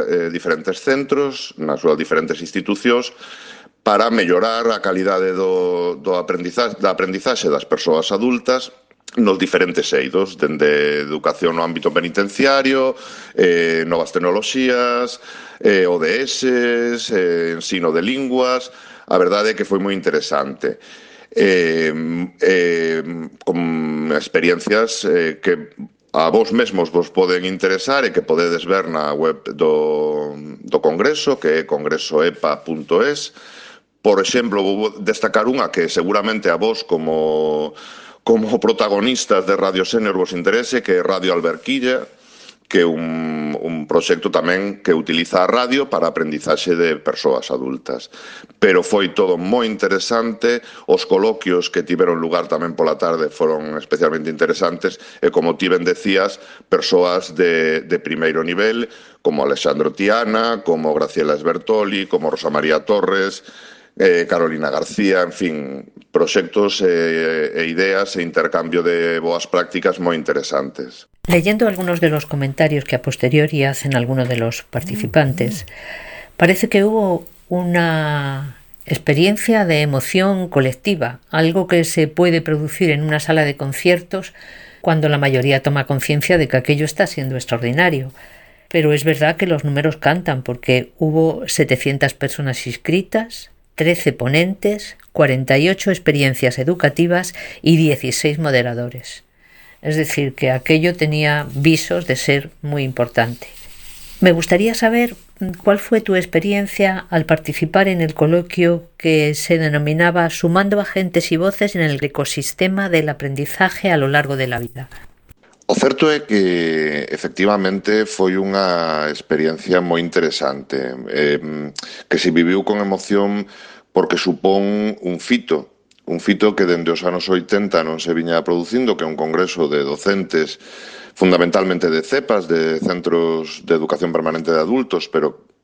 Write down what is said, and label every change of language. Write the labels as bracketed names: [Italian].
[Galician] diferentes centros, nas súas diferentes institucións para mellorar a calidade da aprendizaxe das persoas adultas nos diferentes eidos, dende educación no ámbito penitenciario, novas tecnoloxías, ODS, ensino de linguas. A verdade é que foi moi interesante. Con experiencias que a vos mesmos vos poden interesar e que podedes ver na web do Congreso, que é congresoepa.es. Por exemplo, vou destacar unha que seguramente a vos como protagonistas de Radio Senior vos interese, que é Radio Alberquilla, que é un proxecto tamén que utiliza a radio para aprendizaxe de persoas adultas. Pero foi todo moi interesante, os coloquios que tiveron lugar tamén pola tarde foron especialmente interesantes, e como ti ben decías, persoas de primeiro nivel, como Alexandro Tiana, como Graciela Esbertoli, como Rosa María Torres, Carolina García, en fin, proxectos e ideas e intercambio de boas prácticas moi interesantes. [Spanish] Leyendo algunos de los comentarios que a posteriori hacen algunos de los participantes, parece que hubo una experiencia de emoción colectiva, algo que se puede producir en una sala de conciertos cuando la mayoría toma conciencia de que aquello está siendo extraordinario. Pero es verdad que los números cantan, porque hubo 700 personas inscritas, 13 ponentes, 48 experiencias educativas y 16 moderadores. Es decir, que aquello tenía visos de ser muy importante. Me gustaría saber cuál fue tu experiencia al participar en el coloquio que se denominaba Sumando agentes y voces en el ecosistema del aprendizaje a lo largo de la vida. [Galician] O certo é que efectivamente foi unha experiencia moi interesante, que se viviu con emoción porque supón un fito que dende os anos 80 non se viña producindo, que é un congreso de docentes, fundamentalmente de CEPAS, de Centros de Educación Permanente de Adultos, pero